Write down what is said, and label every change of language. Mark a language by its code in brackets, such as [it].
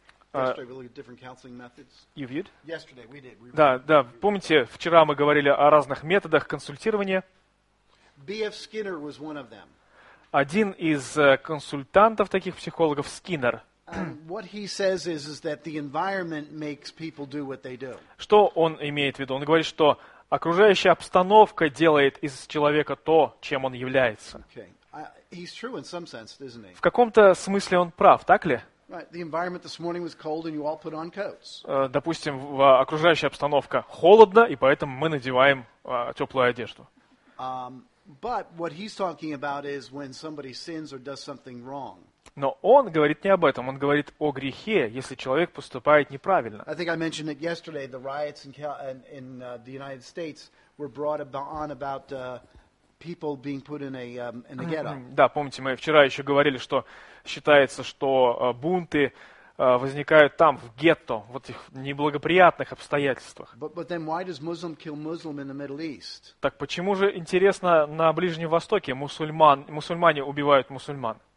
[ru] Да, помните, вчера мы говорили о разных методах консультирования. [en] B.F. Skinner was one of them. [ru] Один из консультантов таких психологов, Скиннер. [en] What he says is that the environment makes people do what they do. [ru] Что он имеет в виду? Он говорит, что окружающая обстановка делает из человека то, чем он является. [en] Okay. He's true in some sense, isn't he? [ru] В каком-то смысле он прав, так ли? [en] Right. The environment this morning was cold, and you all put on coats. [ru] Допустим, окружающая обстановка холодна, и поэтому мы надеваем теплую одежду. [en] But what he's talking about is when somebody sins or does something wrong. [ru] Но он говорит не об этом. Он говорит о грехе, если человек поступает неправильно. [en] I think I mentioned it yesterday. The riots in the United States were brought on about people being put in a ghetto. [ru] Да, помните, мы вчера еще говорили, что считается, что бунты возникают там, в гетто, в этих неблагоприятных обстоятельствах. Так почему же, интересно, на Ближнем Востоке мусульмане убивают мусульман?